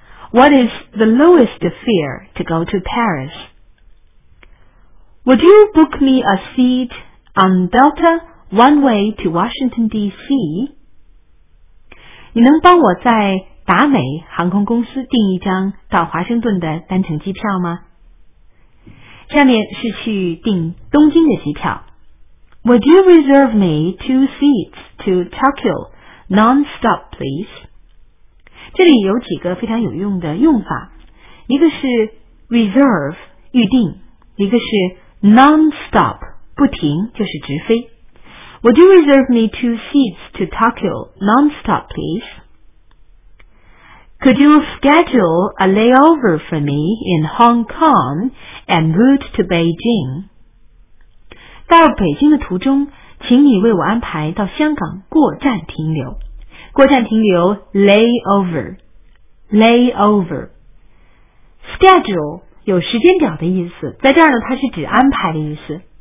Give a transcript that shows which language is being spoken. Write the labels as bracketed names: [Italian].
[English] What is the lowest fare to go to Paris? Would you book me a seat on Delta one way to Washington, D.C.? [Chinese] 你能帮我在达美航空公司订一张到华盛顿的单程机票吗？下面是去订东京的机票。 [English] Would you reserve me two seats to Tokyo non-stop, please? [Chinese] 这里有几个非常有用的用法，一个是 reserve 预定，一个是 non-stop 不停，就是直飞。 [English] Would you reserve me two seats to Tokyo non-stop please? Could you schedule a layover for me in Hong Kong and route to Beijing? [Chinese] 到北京的途中，请你为我安排到香港过站停留。过站停留 layover schedule 有时间表的意思，在这儿呢它是指安排的意思。